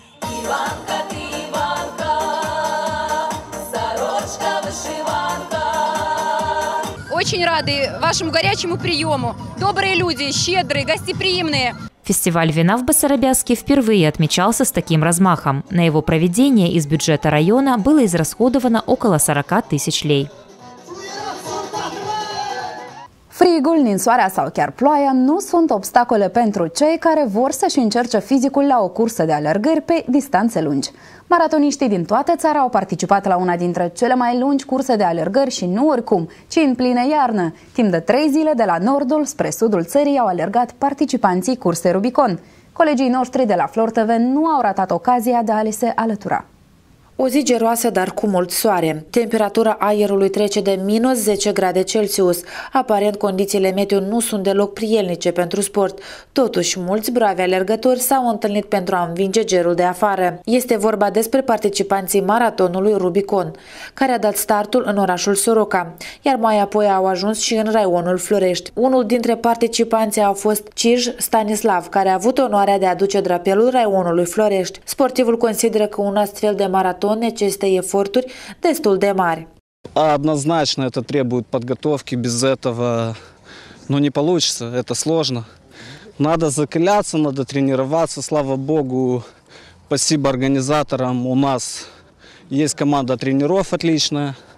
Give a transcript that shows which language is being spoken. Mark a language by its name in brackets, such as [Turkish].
[Russian] Иванка, ты Иванка, сорочка, вышиванка. Очень рады вашему горячему приему. Добрые люди, щедрые, гостеприимные. Фестиваль вина в Басарабяске впервые отмечался с таким размахом. На его проведение из бюджета района было израсходовано около 40 тысяч лей. [Romanian] Frigul din soarea sau chiar ploaia nu sunt obstacole pentru cei care vor să-și încerce fizicul la o cursă de alergări pe distanțe lungi. Maratoniștii din toată țara au participat la una dintre cele mai lungi curse de alergări și nu oricum, ci în plină iarnă. Timp de 3 zile de la nordul spre sudul țării au alergat participanții cursei Rubicon. Colegii noștri de la Flor TV nu au ratat ocazia de a li se alătura. O zi geroasă, dar cu mult soare. Temperatura aerului trece de minus 10 grade Celsius. Aparent, condițiile meteo nu sunt deloc prielnice pentru sport. Totuși, mulți bravi alergători s-au întâlnit pentru a învinge gerul de afară. Este vorba despre participanții maratonului Rubicon, care a dat startul în orașul Soroca, iar mai apoi au ajuns și în raionul Florești. Unul dintre participanții a fost Cij Stanislav, care a avut onoarea de a duce drapelul raionului Florești. Sportivul consideră că un astfel de maraton necesită eforturi destul de mari. [Russian] Однозначно это требует подготовки, без этого ну не получится, это сложно. Надо закаляться, надо тренироваться. Слава Богу, спасибо организаторам. У нас есть команда тренеров отличная.